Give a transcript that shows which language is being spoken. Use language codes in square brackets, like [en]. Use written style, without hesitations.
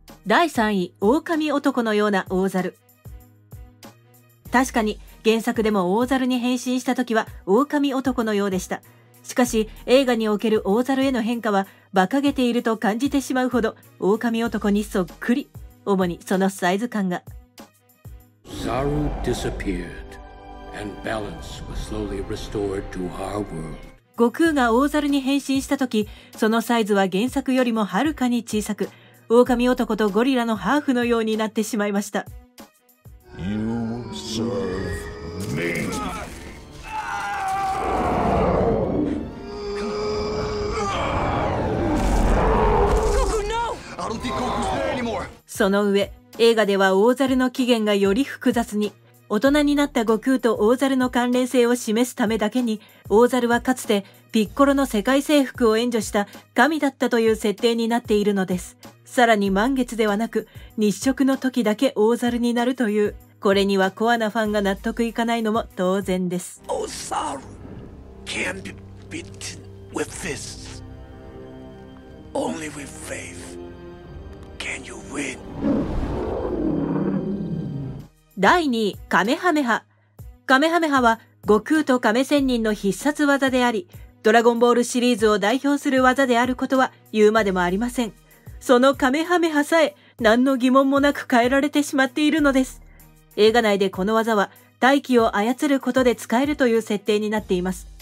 [ja] 第3位、狼男のような大猿。確かに原作でも大猿に変身した時は狼男のようでした。しかし映画における大猿への変化は馬鹿げていると感じてしまうほど狼男にそっくり。主にそのサイズ感が。 [en] Zaru disappeared. And balance was slowly restored to our world. [ja] 悟空が大猿に変身した時、そのサイズは原作よりもはるかに小さく、狼男とゴリラのハーフのようになってしまいました。 [en] You serve me. 悟空、no! I don't think Goku's there anymore. [ja] その上、映画では大猿の起源がより複雑に、大人になった悟空と大猿の関連性を示すためだけに、大猿はかつてピッコロの世界征服を援助した神だったという設定になっているのです。さらに満月ではなく、日食の時だけ大猿になるという、これにはコアなファンが納得いかないのも当然です。 [en] 大猿 can be beaten with fists. Only with faith can you win. [ja] 第2位、カメハメハ。カメハメハは悟空と亀仙人の必殺技であり、ドラゴンボールシリーズを代表する技であることは言うまでもありません。そのカメハメハさえ何の疑問もなく変えられてしまっているのです。映画内でこの技は大気を操ることで使えるという設定になっています。